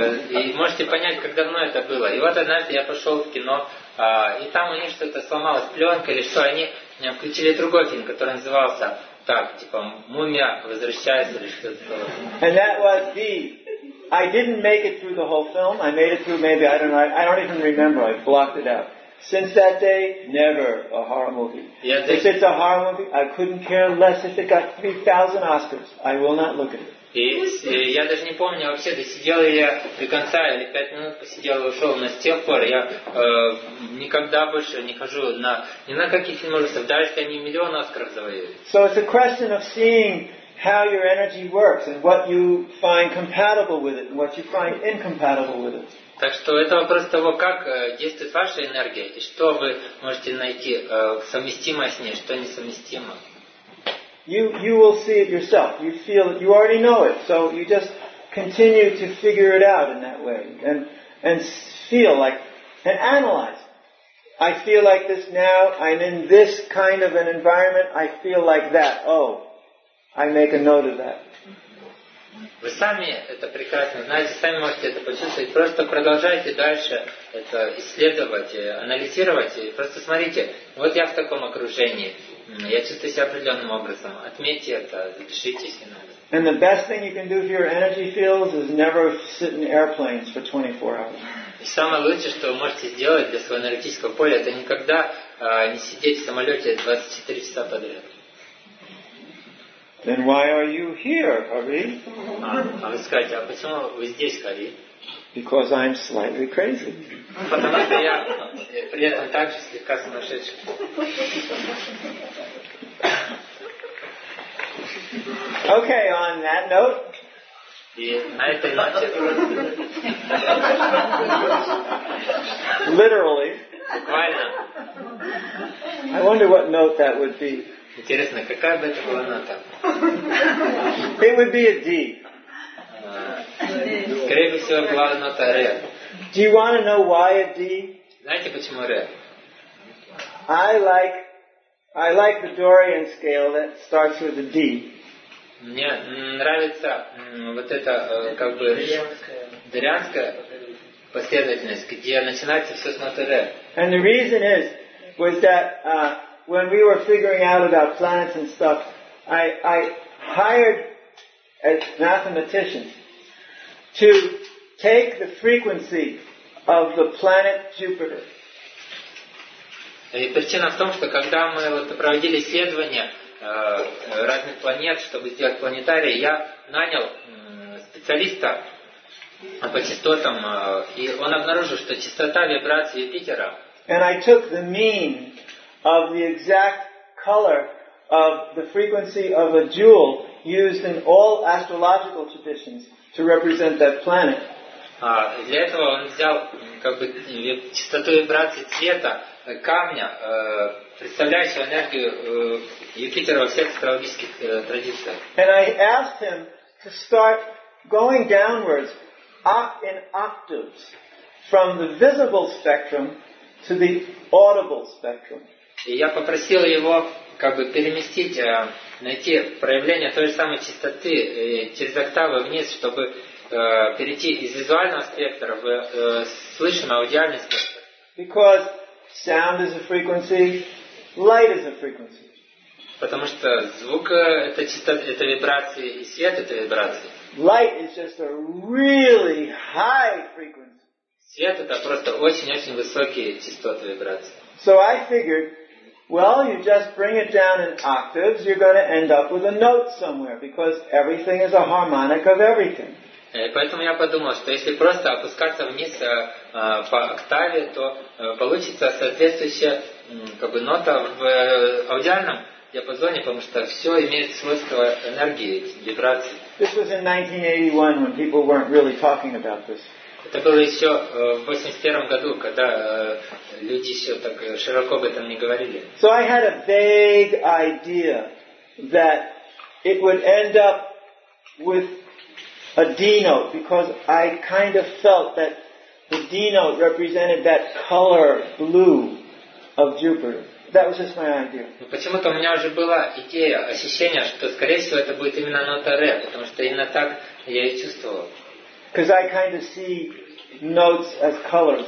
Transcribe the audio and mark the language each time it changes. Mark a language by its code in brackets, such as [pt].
[ru] И можете понять, как давно это было. И вот однажды я пошел в кино, и там у них что-то сломалось, пленка или что, они включили другой фильм, который назывался так, типа «Мумия возвращается» или что-то такое. [en] And that was the... I didn't make it through the whole film. I made it through maybe, I don't know, I don't even remember. I blocked it out. Since that day, never a horror movie. Yeah, if it's a horror movie, I couldn't care less if it got 3,000 Oscars. I will not look at it. [ru] И я даже не помню вообще, досидел ли я до конца или 5 минут посидел и ушел, но с тех пор я никогда больше не хожу ни на какие фильмы ужасов, даже если они миллион Оскаров завоевали. [en] So it's a question of seeing how your energy works and what you find compatible with it and what you find incompatible with it. [ru] Так что это вопрос того, как действует ваша энергия и что вы можете найти совместимое с ней, что несовместимо. [en] You will see it yourself. You feel it. You already know it. So you just continue to figure it out in that way. And feel like, and analyze. I feel like this now. I'm in this kind of an environment. I feel like that. Oh, I make a note of that. [ru] Вы сами это прекрасно знаете, сами можете это почувствовать. Просто продолжайте дальше это исследовать, анализировать. И просто смотрите, вот я в таком окружении. Я чувствую себя определенным образом. Отметьте это, запишите, если надо. [en] And the best thing you can do for your energy fields is never sit in airplanes for 24 hours. [ru] И самое лучшее, что вы можете сделать для своего энергетического поля, это никогда не сидеть в самолете 24 часа подряд. [en] Then why are you here, Hari? [ru] А вы скажете, а почему вы здесь, Хари? [en] Because I'm slightly crazy. [ru] Потому что я при этом также слегка сумасшедший. [en] Okay, on that note. [ru] И на этой ноте. [en] Literally. [ru] Буквально. [en] I wonder what note that would be. [ru] Интересно, какая бы это была нота? [en] It would be a D. [ru] Скорее всего, была нота Ре. [en] Do you want to know why a D? [ru] Знаете, почему Ре? [en] I like the Dorian scale that starts with a D. [ru] Мне нравится вот это как бы дорианская последовательность, где начинается все с ноты Ре. [en] And the reason is was that when we were figuring out about planets and stuff, I hired a mathematician to take the frequency of the planet Jupiter. [ru] И причина в том, что когда мы вот проводили исследования разных планет, чтобы сделать планетарий, я нанял специалиста по частотам, и он обнаружил, что частота вибрации Юпитера. [en] And I took the mean of the exact color of the frequency of a jewel used in all astrological traditions to represent that planet. [ru] Для этого он взял как бы частоту вибрации цвета камня, представляющего энергию Юпитера во всех астрологических традициях. [en] And I asked him to start going downwards in octaves from the visible spectrum to the audible spectrum. [ru] И я попросил его как бы переместить, найти проявление той же самой частоты через октавы вниз, чтобы перейти из визуального спектра в слышимый аудиальный спектр. [en] Because sound is a frequency, light is a frequency. [ru] Потому что звук это частота, это вибрации, и свет это вибрации. [en] Light is just a really high frequency. [ru] Свет это просто очень-очень высокие частоты вибрации. [en] So I figured Well, you just bring it down in octaves, you're going to end up with a note somewhere, because everything is a harmonic of everything. [ru] Поэтому я подумал, что если просто опускаться вниз по октаве, то получится соответствующая как бы нота в аудиальном диапазоне, потому что все имеет свойство энергии, вибрации. [en] This was in 1981 when people weren't really talking about this. [ru] Это было еще в 81 году, когда люди еще так широко об этом не говорили. [en] So I had a vague idea that it would end up with a D note, because I kind of felt that the D note represented that color blue of Jupiter. That was just my idea. [ru] Ну, почему-то у меня уже была идея, ощущение, что, скорее всего, это будет именно нота Ре, потому что именно так я и чувствовал. [en] Because I kind of see notes as colors.